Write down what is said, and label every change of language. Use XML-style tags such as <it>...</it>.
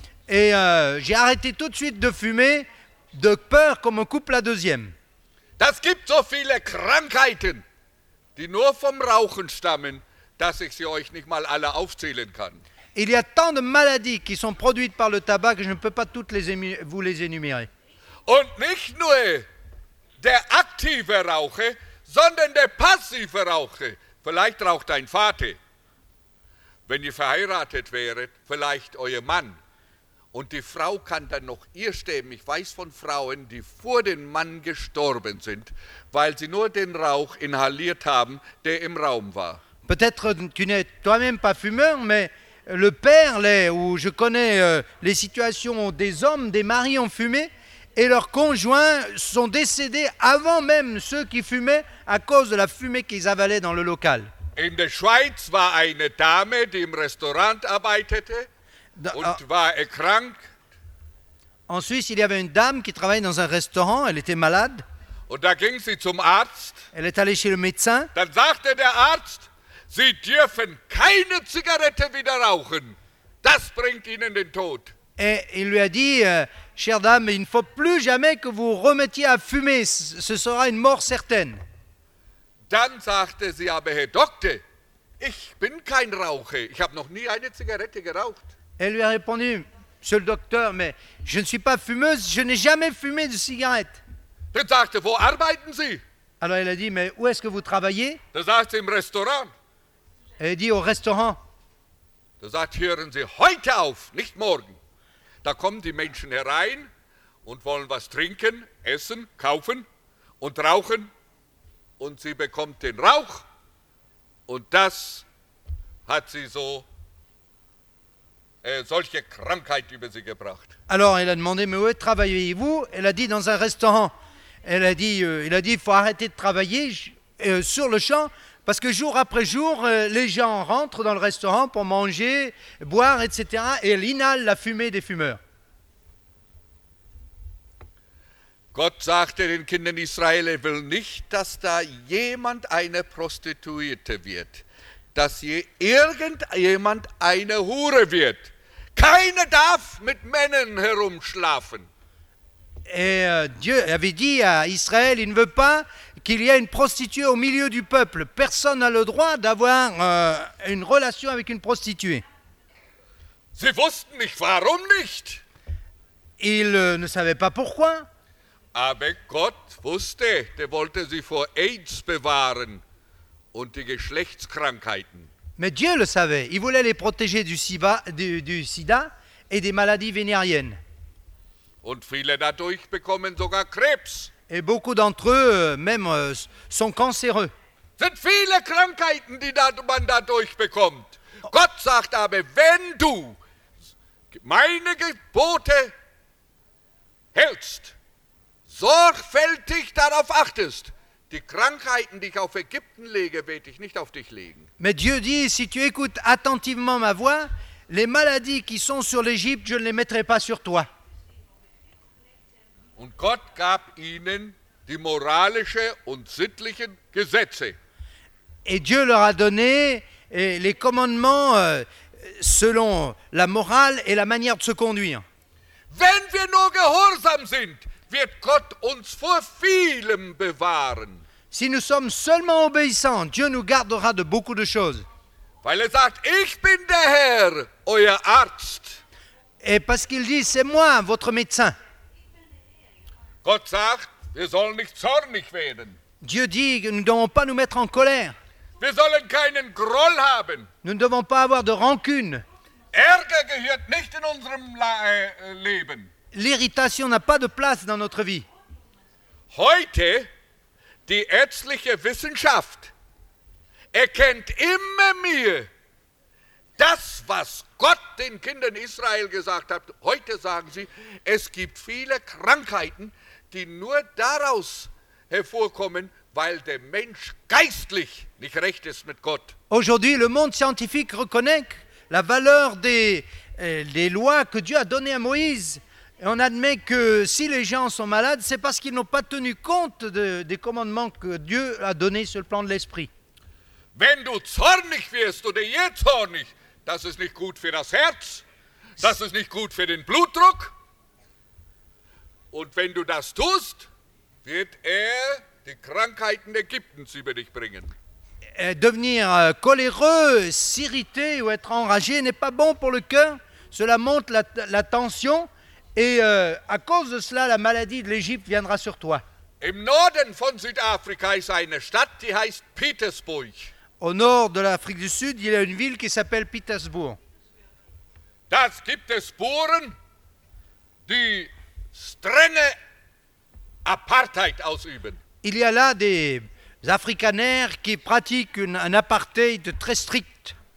<fr>Et j'ai arrêté tout de suite de fumer, de peur qu'on me coupe la deuxième.</fr> <de>Das gibt so viele Krankheiten, die nur vom Rauchen stammen, dass ich sie euch nicht mal alle aufzählen kann.</de> <fr>Il y a tant de maladies qui sont produites par le tabac que je ne peux pas toutes vous les énumérer.</fr> <de>Und nicht nur der aktive Raucher, sondern der passive Raucher. Vielleicht raucht dein Vater. Wenn ihr verheiratet wäret, vielleicht euer Mann. Und die Frau kann dann noch ihr sterben. Ich weiß von Frauen, die vor dem Mann gestorben sind, weil sie nur den Rauch inhaliert haben, der im Raum war.</de> <fr>Peut-être tu n'es toi-même pas fumeur, mais le père l'est, ou je connais les situations où des hommes, des maris ont fumé, et leurs conjoints sont décédés avant même ceux qui fumaient à cause de la fumée qu'ils avalaient dans le local.</fr> <de>In der Schweiz war eine Dame, die im Restaurant arbeitete, und war erkrankt.</de> <fr>En Suisse, il y avait une dame qui travaillait dans un restaurant, elle était malade.</fr> <de>Und da ging sie zum Arzt.</de> <fr>Elle est allée chez le médecin.</fr> <de>Dann sagte der Arzt, Sie dürfen keine Zigarette wieder rauchen. Das bringt Ihnen den Tod.</de> <fr>Et il lui a dit, chère dame, il ne faut plus jamais que vous remettiez à fumer. Ce sera une mort certaine.</fr> <de>Dann sagte sie aber, Herr Doktor, ich bin kein Raucher. Ich habe noch nie eine Zigarette geraucht.</de> <fr>Elle lui a répondu, Monsieur le docteur, mais je ne suis pas fumeuse. Je n'ai jamais fumé de cigarette.</fr> <de>Dann sagte, wo arbeiten Sie?</de> <fr>Alors elle a dit, mais où est-ce que vous travaillez?</fr> <de>Dann sagte sie, im Restaurant.</de> <fr>Elle dit au restaurant.</fr> <de>Da sagt, hören Sie heute auf, nicht morgen. Da kommen die Menschen herein und wollen was trinken, essen, kaufen und rauchen. Und sie bekommt den Rauch. Und das hat sie so, solche Krankheit über sie gebracht.</de> <fr>Alors, elle a demandé, mais où travaillez-vous? Elle a dit, dans un restaurant. Elle a dit, il faut arrêter de travailler sur le champ. Parce que jour après jour, les gens rentrent dans le restaurant pour manger, boire, etc. Et elle inhale la fumée des fumeurs.</fr> <de>Gott sagte den Kindern Israel, er will nicht, dass da jemand eine Prostituierte wird. Dass hier irgendjemand eine Hure wird. Keine darf mit Männern herumschlafen.</de> <fr>Et Dieu avait dit à Israël, il ne veut pas qu'il y ait une prostituée au milieu du peuple. Personne n'a le droit d'avoir une relation avec une prostituée.</fr> <de>Sie wussten nicht, warum nicht.</de> <fr>Ils ne savaient pas pourquoi.</fr> <de>Aber Gott wusste, der wollte sie vor AIDS bewahren und die Geschlechtskrankheiten.</de> <fr>Mais Dieu le savait. Il voulait les protéger du sida et des maladies vénériennes.</fr> <de>Und viele dadurch bekommen sogar Krebs.</de> <fr>Et beaucoup d'entre eux, même, sont cancéreux.</fr> <de>Sind viele Krankheiten, die man dadurch bekommt. Gott sagt aber, wenn du meine Gebote hältst, sorgfältig darauf achtest, die Krankheiten, die ich auf Ägypten lege, werde ich nicht auf dich legen.</de> <fr>Mais Dieu dit, si tu écoutes attentivement ma voix, les maladies qui sont sur l'Égypte, je ne les mettrai pas sur toi.</fr> <de>Und Gott gab ihnen die moralischen und sittlichen Gesetze.</de> <fr>Et Dieu leur a donné les commandements selon la morale et la manière de se conduire.</fr> <de>Wenn wir nur gehorsam sind, wird Gott uns vor vielem bewahren.</de> <fr>Si nous sommes seulement obéissants, Dieu nous gardera de beaucoup de choses.</fr> <de>Weil er sagt, ich bin der Herr, euer Arzt.</de> <fr>Et parce qu'il dit, c'est moi, votre médecin.</fr> <de>Gott sagt, wir sollen nicht zornig werden.</de> <fr>Dieu dit que nous ne devons pas nous mettre en colère.</fr> <de>Wir sollen keinen Groll haben.</de> <fr>Nous ne devons pas avoir de rancune.</fr> <de>Ärger gehört nicht in unserem Leben.</de> <fr>L'irritation n'a pas de place dans notre vie.</fr> <de>Heute, die ärztliche Wissenschaft erkennt immer mehr das, was Gott den Kindern Israel gesagt hat. Heute sagen sie, es gibt viele Krankheiten, die nur daraus hervorkommen, weil der Mensch geistlich nicht recht ist mit Gott.</de> <fr>Aujourd'hui, le monde scientifique reconnaît la valeur des lois que Dieu a données à Moïse. Et on admet que si les gens sont malades, c'est parce qu'ils n'ont pas tenu compte des commandements que Dieu a donnés sur le plan de l'esprit.</fr> <de>Wenn du zornig wirst oder jetzt zornig, das ist nicht gut für das Herz, das ist nicht gut für den Blutdruck. Und wenn du das tust, wird die Krankheiten Ägyptens über dich bringen.</de> <fr>Devenir coléreux, s'irriter ou être enragé n'est pas bon pour le cœur. Cela monte la tension. Et à cause de cela, la maladie de l'Égypte viendra sur toi.</fr> <de>Im Norden von Südafrika ist eine Stadt, die heißt Petersburg.</de> <fr>Au nord de l'Afrique du Sud, il y a une ville qui s'appelle Petersburg.</fr> <de>Das gibt es Spuren, die strenge Apartheid ausüben.</de> <fr>Il y a là des Afrikaners qui pratiquent un apartheid très strict.</fr>